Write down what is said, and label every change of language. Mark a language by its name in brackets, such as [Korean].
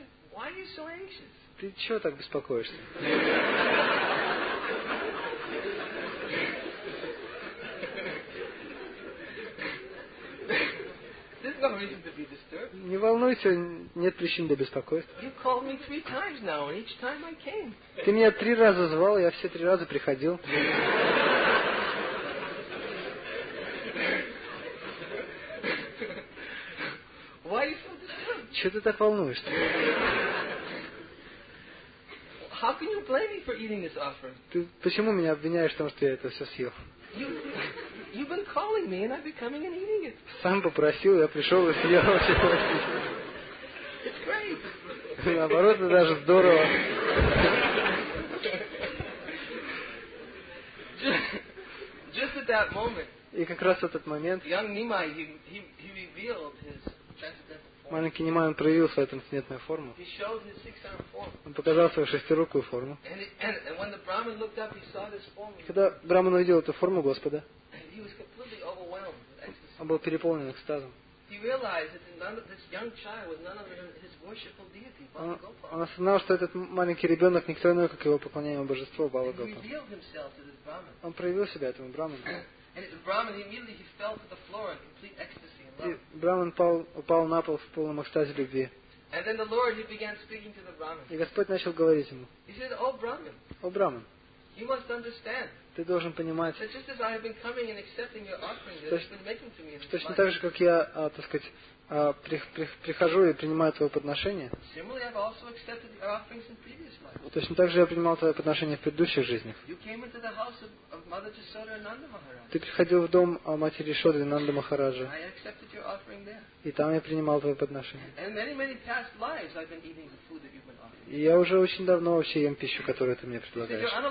[English] Why are you so anxious? [Russian] Ты чего так беспокоишься? [English] This is not [Russian] Не волнуйся, нет причин для беспокойства. [English] You called me three times now, each time I came. [Russian] Ты меня три раза звал, я все три раза приходил. [English] Why are you so disturbed? [Russian] Чего ты так волнуешься? [English] How can you blame me for eating this offering? [Russian] Ты почему меня обвиняешь в том, что я это все съел? [English] You've been calling me, and I've been coming and eating it. [Russian] Сам попросил, я пришел и съел все. [English] It's great. [Russian] Наоборот, это даже здорово. [English] Just at that moment. [Russian] И как раз в этот момент. [English] Young Nima, he revealed his transcendental form. [Russian] Маленький Нима, он проявил свою трансцендентную форму. [English] He showed his six-armed form. [Russian] Он показал свою шестирукую форму. [English] And when the Brahman looked up, he saw this form. [Russian] Когда Брахман увидел эту форму Господа. [English] He was completely overwhelmed with ecstasy. [Russian] Он был переполнен экстазом. [English] He realized that none of this young child was none other than his worshipful deity, Bala Gopala. [Russian] Он осознал, что этот маленький ребенок никто иной, как его поклоняемое божество Бала Гопала. [English] He revealed himself to this Brahman. [Russian] Он проявил себя этому Брахману. [English] And the Brahman immediately he fell to the floor in complete ecstasy and love. [Russian] И Брахман упал на пол в полном экстазе любви. [English] And then the Lord he began speaking to the Brahman. [Russian] И Господь начал говорить ему. [English] He said, "O Brahman." [Russian] О Брахман. [English] You must understand. [Russian] Ты должен понимать. [English] That just as I have been coming and accepting your offering, that you've been making to me. [Russian] Что точно так же, как я, прихожу и принимаю твое подношение. [English] Similarly, I've also accepted your offerings in previous lives. [Russian] Точно так же я принимал твое подношение в предыдущих жизнях. [English] You came into the house of Mother Jasoda and Nanda Maharaj. [Russian] Ты приходил в дом матери Ишоды и Нанды Махараджа. [English] I accepted your offering there. [Russian] И там я принимал твое подношение. [English] And many, many past lives I've been eating the food that you've been offering. [Russian] И я уже очень давно вообще ем пищу, которую ты мне предлагаешь.